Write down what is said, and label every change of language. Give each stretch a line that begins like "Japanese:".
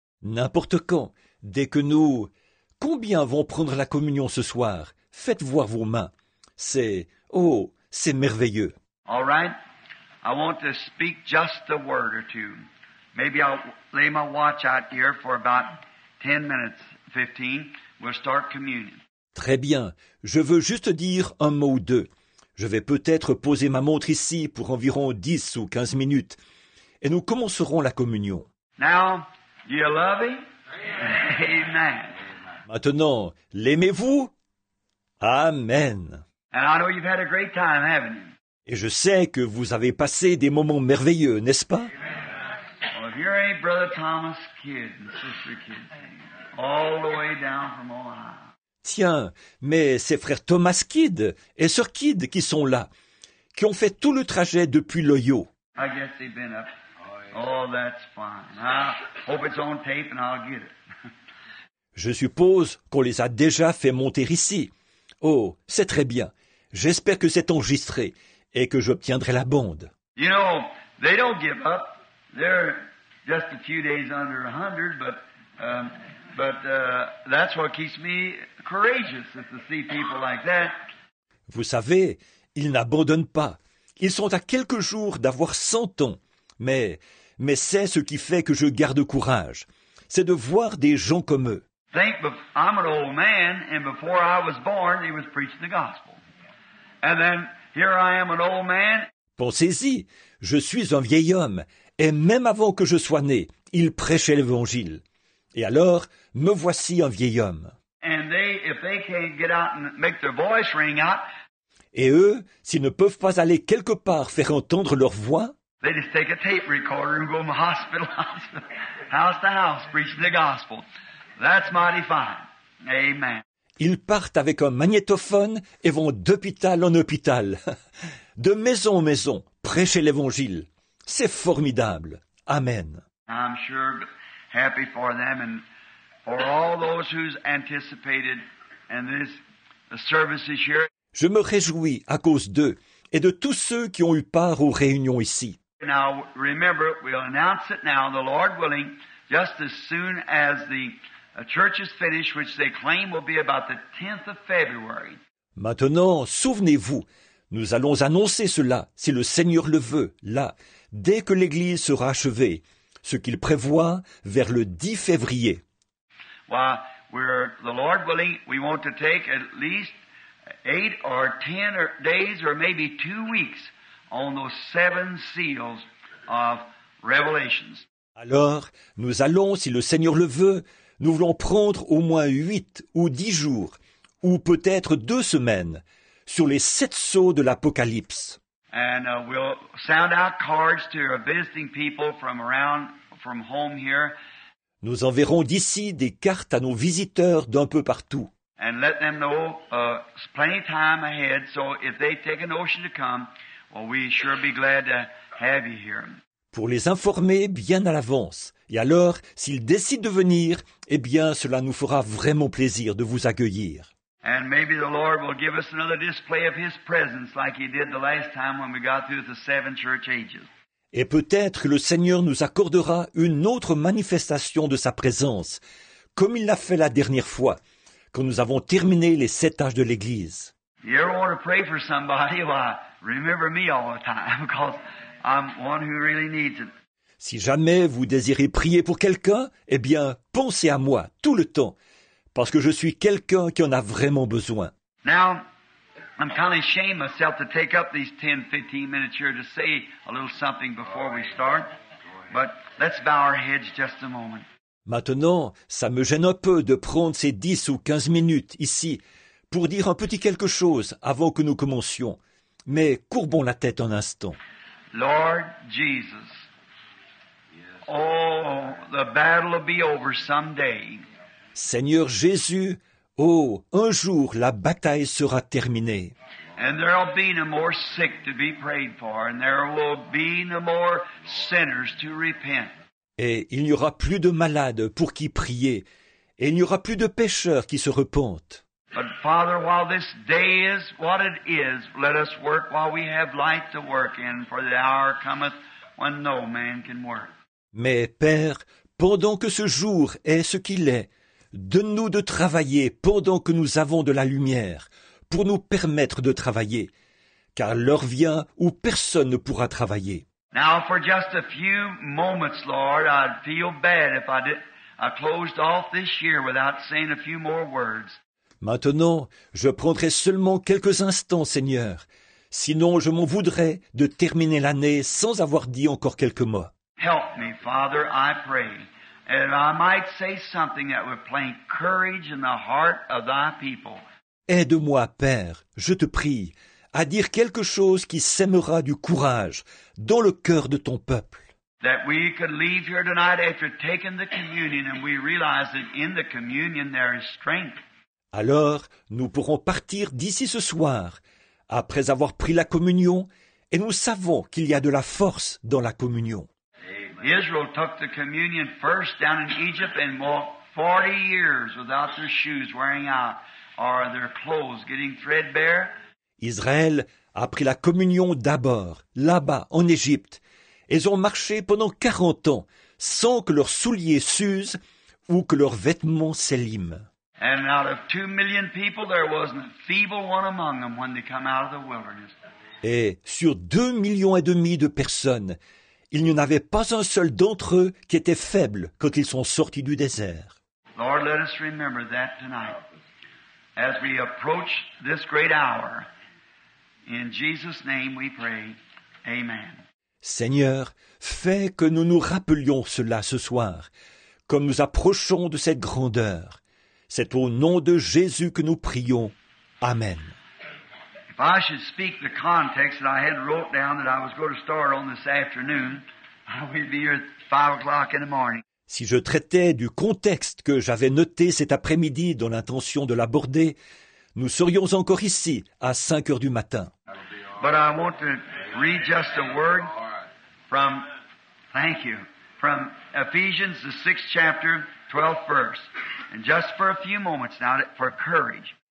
French: N'importe quand. Dès que nous... Combien vont prendre la communion ce soir? Faites voir vos mains. C'est merveilleux.
English: All right. I want to speak just a word or two. Maybe I'll lay my watch out here for about 10 minutes, 15. We'll start communion.
French: Très bien. Je veux juste dire un mot ou deux. Je vais peut-être poser ma montre ici pour environ 10 ou 15 minutes. Et nous commencerons la communion.
English: Now, do you love him? Amen.
French: Maintenant, l'aimez-vous? Amen.
English: And I know you've had a great time, haven't you?
French: Et je sais que vous avez passé des moments merveilleux, n'est-ce pas?
English: If you're a Brother Thomas kid and sister kid, all the way down from Ohio.
French: Tiens, mais c'est frère Thomas Kidd et sœur Kidd qui sont là, qui ont fait tout le trajet depuis l'Ohio.
English: I guess they've been up. Oh, that's fine. I hope it's on tape and I'll get it.
French: Je suppose qu'on les a déjà fait monter ici. Oh, c'est très bien. J'espère que c'est enregistré et que j'obtiendrai la bande.
English: You know, they don't give up. They're just a few days under 100, but that's what keeps me courageous is to see people like that.
French: Vous savez, ils n'abandonnent pas. Ils sont à quelques jours d'avoir 100 ans. Mais c'est ce qui fait que je garde courage. C'est de voir des gens comme eux.
English: Think, I'm an old man, and before I was born, he was preaching the gospel. And then, here I am an old man.
French: Pensez-y, je suis un vieil homme, et même avant que je sois né, il prêchait l'évangile. Et alors, me voici un vieil homme.
English: And they, if they can't get out and make their voice ring out,
French: et eux, s'ils ne peuvent pas aller quelque part faire entendre leur voix,
English: they just take a tape recorder and go from hospital house to house preaching the gospel. That's mighty fine. Amen.
French: Ils partent avec un magnétophone et vont d'hôpital en hôpital, de maison en maison, prêcher l'évangile. C'est formidable. Amen.
English: I'm sure happy for them and for all those who's anticipated and this service is here.
French: Je me réjouis à cause d'eux et de tous ceux qui ont eu part aux réunions ici.
English: Now, remember, we'll announce it now, the Lord willing, just as soon as the church is finished, which they claim will be about the 10th of February.
French: Maintenant, souvenez-vous, nous allons annoncer cela, si le Seigneur le veut, là, dès que l'Église sera achevée, ce qu'il prévoit vers le 10 février.
English: Well, the Lord willing, we want to take at least 8 or 10 days or maybe 2 weeks on those 7 seals of Revelations.
French: Alors, nous allons, si le Seigneur le veut, nous voulons prendre au moins 8 ou 10 jours, ou peut-être 2 semaines, sur les 7 sceaux de l'Apocalypse.
English: And we'll send out cards to our visiting people from around, from home here.
French: Nous enverrons d'ici des cartes à nos visiteurs d'un peu partout.
English: And let them know plenty of time ahead, so if they take a notion to come, well, we sure be glad to have you here.
French: Pour les informer bien à l'avance. Et alors, s'ils décident de venir, eh bien, cela nous fera vraiment plaisir de vous accueillir.
English: And maybe the Lord will give us another display of His presence like He did the last time when we got through the 7 church ages.
French: Et peut-être que le Seigneur nous accordera une autre manifestation de Sa présence, comme il l'a fait la dernière fois, quand nous avons terminé les 7 âges de l'Église.
English: You ever want to pray for somebody? Well, remember me all the time, because I'm one who really needs it.
French: Si jamais vous désirez prier pour quelqu'un, eh bien, pensez à moi tout le temps, parce que je suis quelqu'un qui en a vraiment besoin.
English: Now, I'm kind of ashamed myself to take up these 10-15 minutes here to say a little something before we start, but let's bow our heads just a moment.
French: Maintenant, ça me gêne un peu de prendre ces 10 ou 15 minutes ici pour dire un petit quelque chose avant que nous commencions. Mais courbons la tête un instant.
English: Lord Jesus, oh, the battle will be over someday.
French: Seigneur Jésus, oh, un jour la bataille sera terminée.
English: And there will be no more sick to be prayed for, and there will be no more sinners to repent.
French: Et il n'y aura plus de malades pour qui prier, et il n'y aura plus de pécheurs qui se repentent.
English: But Father, while this day is what it is, let us work while we have light to work in, for the hour cometh when no man can work.
French: Mais Père, pendant que ce jour est ce qu'il est, donne-nous de travailler pendant que nous avons de la lumière, pour nous permettre de travailler, car l'heure vient où personne ne pourra travailler.
English: Now for just a few moments, Lord, I'd feel bad if I closed off this year without saying a few more words.
French: Maintenant, je prendrai seulement quelques instants, Seigneur. Sinon, je m'en voudrais de terminer l'année sans avoir dit encore quelques mots.
English: Help me, Father, I pray, that I might say something that would plant courage in the heart of thy people.
French: Aide-moi, Père, je te prie, à dire quelque chose qui sèmera du courage dans le cœur de ton peuple.
English: That we could leave here tonight after taking the communion and we realize that in the communion there is strength.
French: Alors, nous pourrons partir d'ici ce soir, après avoir pris la communion, et nous savons qu'il y a de la force dans la communion. Israël a pris la communion
English: first down in Egypt and walked 40 years without their shoes wearing out or their clothes getting threadbare.
French: Israël a pris la communion d'abord, là-bas, en Égypte. Ils ont marché pendant 40 ans sans que leurs souliers s'usent ou que leurs vêtements s'élimment.
English: And out of 2 million people, there wasn't a feeble one among them when they come out of the wilderness.
French: Et sur 2,5 millions de personnes, il n'y en avait pas un seul d'entre eux qui était faible quand ils sont sortis du désert.
English: Lord, let us remember that tonight. As we approach this great hour, in Jesus' name we pray, amen.
French: Seigneur, fais que nous nous rappelions cela ce soir, comme nous approchons de cette grandeur. C'est au nom de Jésus que nous prions. Amen.
English: I should speak the context that I had wrote down that I was going to start on this afternoon. We'd be here at 5 o'clock in the morning.
French: Si je traitais du contexte que j'avais noté cet après-midi dans l'intention de l'aborder, nous serions encore ici à 5 heures du matin.
English: But I want to read just a word from, thank you, from Ephesians, the 6th chapter, 12th verse. And just for a few moments now, for courage.